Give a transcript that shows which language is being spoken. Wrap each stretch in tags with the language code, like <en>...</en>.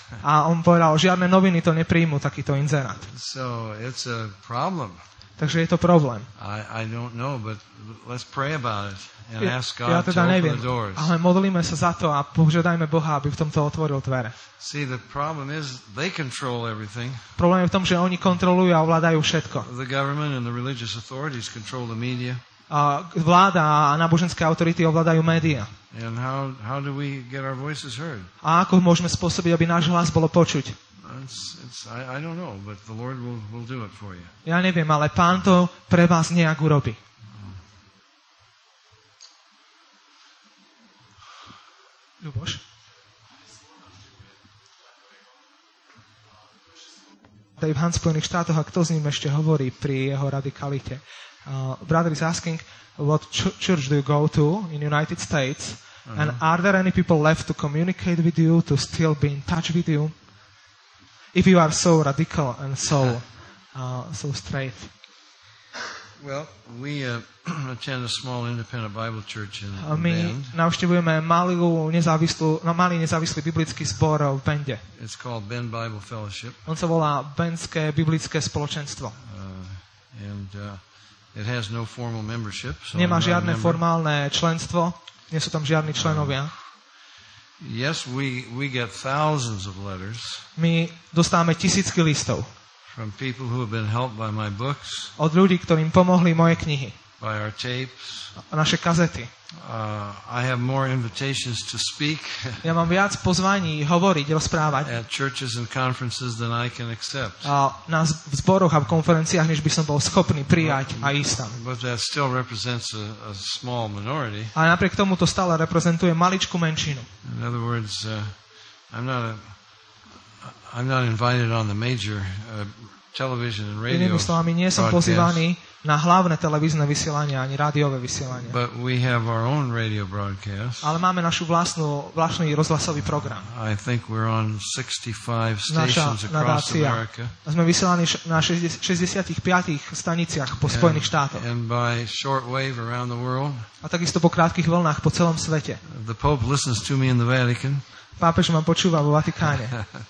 <sk>A on povedal, žiadne noviny to neprijmú takýto inzerát.</sk> <en>So it's a problem.</en> <sk>Takže je to problém.</sk> <en>I don't know, but let's pray about it and ask God</en> <sk>ja teda neviem,</sk> <en>open the doors.</en> <sk>Ale modlíme sa za to a požiadajme Boha, aby v tomto otvoril dvere.</sk> <en>See, the problem is they control everything.</en> <sk>Problém je v tom, že oni kontrolujú a ovládajú všetko.</sk> <en>The government and the religious authorities control the media.</en> <sk>A vláda a náboženské autority ovládajú média.</sk> <en>And how do we get our voices heard?</en> <sk>A ako môžeme spôsobiť, aby náš hlas bolo počuť?</sk> <en>I don't know, but the Lord will do it for you.</en> <sk>Ja neviem, ale Pán to pre vás nejak urobí. Ľuboš? Dave Hunt v Spojených štátoch, a kto s ním ešte hovorí pri jeho radikalite?</sk> <en>Brother is asking, what church do you go to in United States? Uh-huh. And are there any people left to communicate with you, to still be in touch with you? If you are so radical and so so straight. Well, we attend a small independent Bible church in Bend.</en> <sk>My navštevujeme malý nezávislý biblický zbor v Bende.</sk> <en>It's called Bend Bible Fellowship.</en> <sk>On sa volá Bendské biblické spoločenstvo.</sk> <en>And it has no formal membership, so</en> <sk>nemá žiadne formálne členstvo. Nie sú tam žiadni členovia.</sk> <en>Yes, we get thousands of letters.</en> <sk>My dostávame tisícky listov.</sk> <en>From people who have been helped by my books.</en> <sk>Od ľudí, ktorým pomohli moje knihy.</sk> <en>By our tapes.</en> <sk>Naše kazety.</sk> <en>I have more invitations to speak.</en> <sk>Ja mám viac pozvaní hovoriť, rozprávať.</sk> <en>At churches and conferences than I can accept.</en> <sk>A na zboroch a konferenciách, než by som bol schopný prijať a ísť tam.</sk> <en>But that still represents a small minority.</en> <sk>A napriek tomu to stále reprezentuje maličkú menšinu.</sk> <en>In other words, I'm not invited on the major television and radio.</en> <sk>Inými slovami, nie som pozývaný na hlavné televízne vysielania ani rádiové vysielania.</sk> <en>But we have our own radio broadcast.</en> <sk>Ale máme našu vlastný rozhlasový program.</sk> <en>I think we're on 65 stations across America.</en> <sk>A sme vysielaní na 65 staniciach po Spojených štátoch.</sk> <en>And by short wave around the world.</en> <sk>A takisto po krátkych vlnách po celom svete.</sk> <en>The Pope listens to me in the Vatican.</en> <sk>Pápež ma počúva vo Vatikáne.</sk>